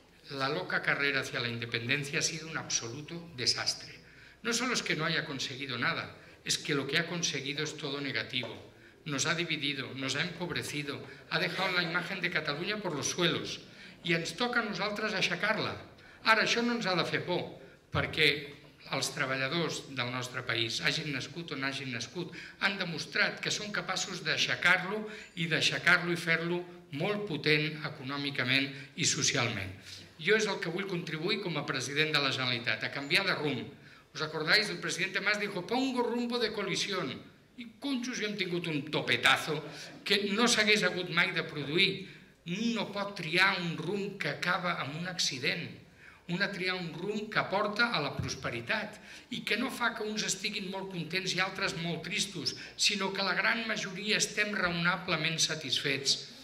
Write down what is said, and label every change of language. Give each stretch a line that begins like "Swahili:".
Spanish: La loca carrera hacia la independencia ha sido un absoluto desastre. No solo es que no haya conseguido nada, es que lo que ha conseguido es todo negativo. Nos ha dividido, nos ha empobrecido, ha dejado la imagen de Cataluña por los suelos
Catalan: i ens toca a nosaltres aixecar-la. Ara, això no ens ha de fer por, perquè els treballadors del nostre país, hagin nascut o no hagin nascut, han demostrat que són capaços d'aixecar-lo i d'aixecar-lo i fer-lo molt potent econòmicament i socialment. Jo és el que vull contribuir com a president de la Generalitat, a canviar de rumb. Us recordáis?
Spanish: El president Mas dijo, pongo rumbo de colisión.
Catalan: I conjos, jo hem tingut un topetazo que no s'hagués hagut mai de produir. No pot triar un rumb que acaba amb un accident. Una triar un rumb que porta a la prosperitat i que no fa que uns estiguin molt contents i altres molt tristos, sinó que la gran majoria estem raonablement satisfets.